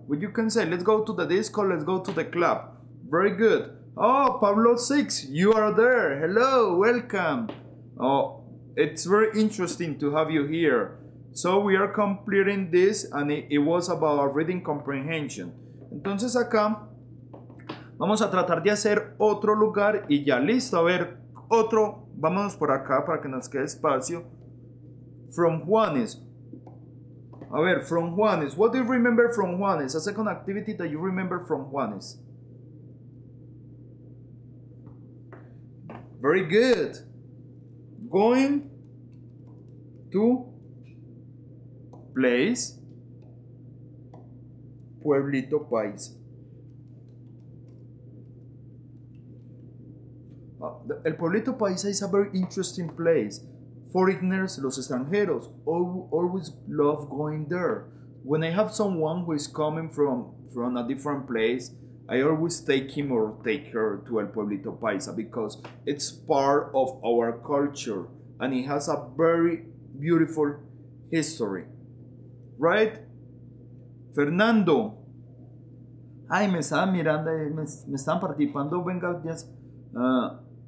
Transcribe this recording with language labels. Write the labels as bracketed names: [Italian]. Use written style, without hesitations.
[English] What you can say, let's go to the disco, let's go to the club. Very good. Oh, Pablo Six, you are there. Hello, welcome. Oh, it's very interesting to have you here. So we are completing this, and it was about reading comprehension. [Spanish] Entonces acá, vamos a tratar de hacer otro lugar y ya listo. A ver, otro, vámonos por acá para que nos quede espacio. [English] From Juanes. [Spanish] A ver, [English] from Juanes. What do you remember from Juanes? A second activity that you remember from Juanes. Very good. Going to place, pueblito país. El pueblito paisa is a very interesting place. Foreigners, [Spanish] los extranjeros, [English] always love going there. When I have someone who is coming from a different place, I always take him or take her to el pueblito paisa because it's part of our culture and it has a very beautiful history. Right? Fernando. [Spanish] Ay, me estaba mirando, me están participando, venga, ya.